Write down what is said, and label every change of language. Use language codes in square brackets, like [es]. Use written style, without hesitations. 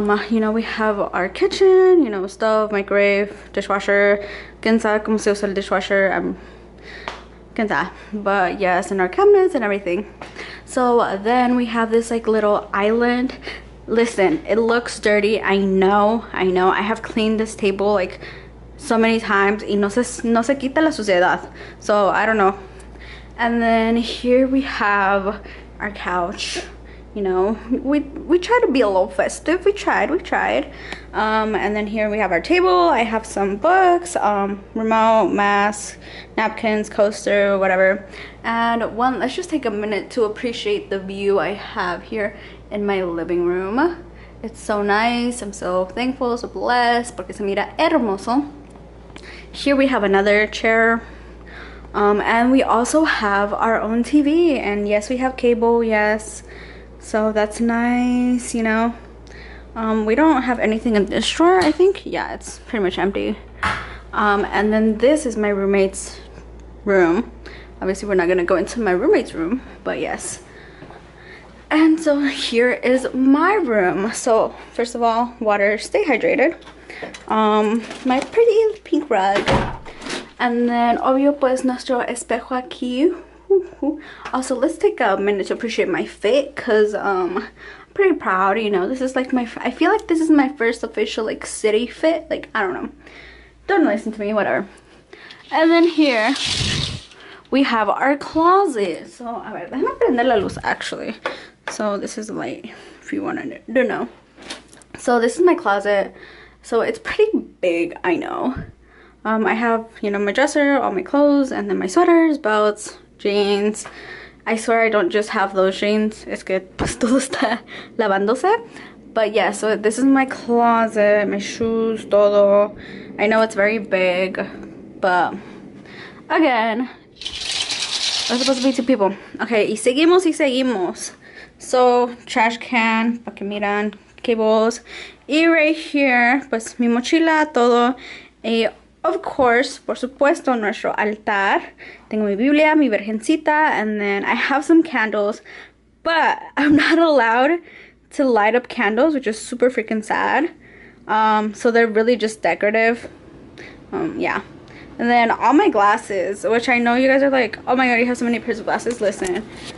[en] You know, we have our kitchen, you know, stove, microwave, dishwasher. [es] ¿Quién sabe cómo se usa el dishwasher? ¿Quién sabe? [en] But yes, and our cabinets and everything. So then we have this like little island. Listen, it looks dirty. I know. I have cleaned this table like so many times. [es] Y no se quita la suciedad. [en] So I don't know. And then here we have our couch. You know, we try to be a little festive. We tried. And then here we have our table. I have some books, remote, mask, napkins, coaster, whatever. And one, let's just take a minute to appreciate the view I have here in my living room. It's so nice. I'm so thankful, so blessed, [es] porque se mira hermoso. [en] Here we have another chair. And we also have our own TV. And yes, we have cable, yes. So that's nice, you know. We don't have anything in this drawer, I think. Yeah, it's pretty much empty. And then this is my roommate's room. Obviously, we're not gonna go into my roommate's room, but yes. And so here is my room. So first of all, water, stay hydrated. My pretty pink rug. [es] And then, obvio, pues, nuestro espejo aquí. [en] Also, let's take a minute to appreciate my fit, because I'm pretty proud, you know. This is like my, I feel like this is my first official like city fit, like, I don't know, don't listen to me, whatever. And then here we have our closet. So [es] a ver, déjame prender la luz, [en] actually. So this is light, if you want to know. So this is my closet. So it's pretty big, I know. I have, you know, my dresser, all my clothes, and then my sweaters, belts, jeans. I swear I don't just have those jeans. [es] Es que pues todo está lavándose. [en] But yeah, so this is my closet, my shoes, todo. I know it's very big, but again, we're supposed to be two people. Okay, [es] y seguimos. [en] So trash can, [es] para que miran, [en] cables. [es] Y [en] right here, [es] pues mi mochila, todo. Y [en] of course, [es] por supuesto, nuestro altar. Tengo mi Biblia, mi Virgencita, [en] and then I have some candles, but I'm not allowed to light up candles, which is super freaking sad. So they're really just decorative. Yeah. And then all my glasses, which I know you guys are like, oh my god, you have so many pairs of glasses. Listen,